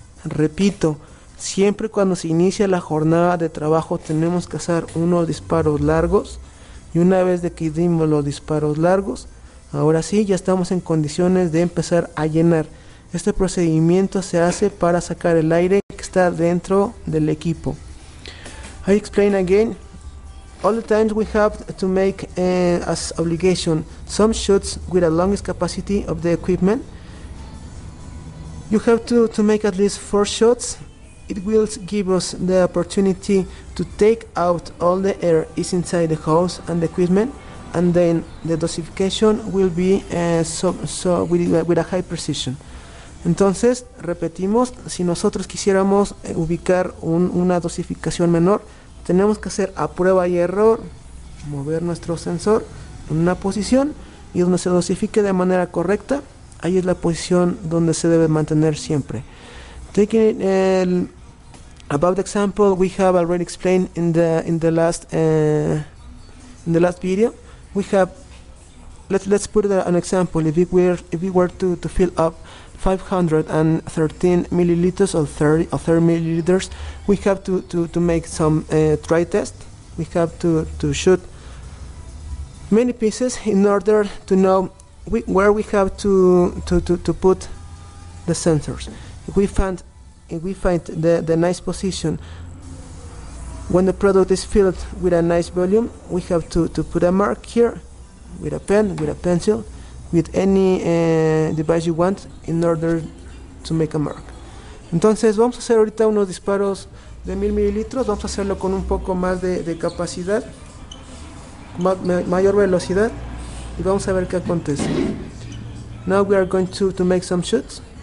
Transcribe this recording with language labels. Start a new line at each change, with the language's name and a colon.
Spanish: Repito, siempre cuando se inicia la jornada de trabajo tenemos que hacer unos disparos largos, y una vez de que dimos los disparos largos, ahora sí ya estamos en condiciones de empezar a llenar. Este procedimiento se hace para sacar el aire que está dentro del equipo.
English: I explain again All the times we have to make as obligation some shoots with a longest capacity of the equipment, you have to make at least 4 shots. It will give us the opportunity to take out all the air is inside the hose and the equipment, and then the dosification will be with a high precision.
Spanish: Entonces, repetimos, si nosotros quisiéramos ubicar una dosificación menor, tenemos que hacer a prueba y error, mover nuestro sensor en una posición y donde se dosifique de manera correcta, ahí es la posición donde se debe mantener siempre.
English: Taking it about the example we have already explained in the last video, we have let's put an example. If we were to fill up 513 milliliters or 30 milliliters, we have to make some dry test. We have to shoot many pieces in order to know where we have to put the sensors. If we find the nice position when the product is filled with a nice volume, we have to put a mark here with a pen, with a pencil, with any device you want in order to make a mark.
Spanish: Entonces vamos a hacer ahorita unos disparos de 1000 mililitros, vamos a hacerlo con un poco más de capacidad, mayor velocidad, y vamos a ver qué acontece.
English: Now we are going to make some shots.